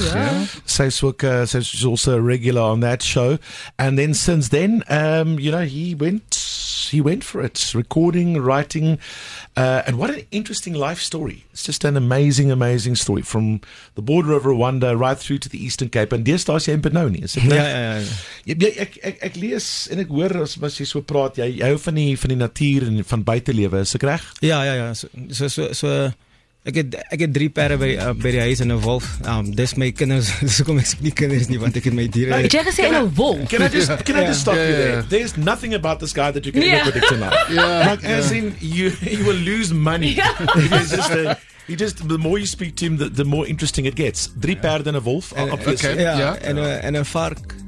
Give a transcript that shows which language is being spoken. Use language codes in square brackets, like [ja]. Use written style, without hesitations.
[en] Yeah. Yeah. She's also a regular on that show. And then since then, you know, he went for it. Recording, writing. And what an interesting life story. It's just an amazing, amazing story. From the border of Rwanda right through to the Eastern Cape. [af] And daar staas jy in Benoni. Ja. Ek lees en ek hoor as jy so praat, jy hou van die natuur en van buitelewe. Is ek reg? Ja. So Ek het 3 perre by die huis en 'n wolf. Dis my kinders. Dis hoekom ek sê nie kinders nie, want ek het my diere. Jy het gesê 'n wolf. [en] Can I just stop you there? There's nothing about this guy that you can ever predict enough. As in, you will lose money. Yeah. The more you speak to him, the more interesting it gets. [af] 3 perre en 'n wolf, obviously. [en] Okay. Yeah. And a vark.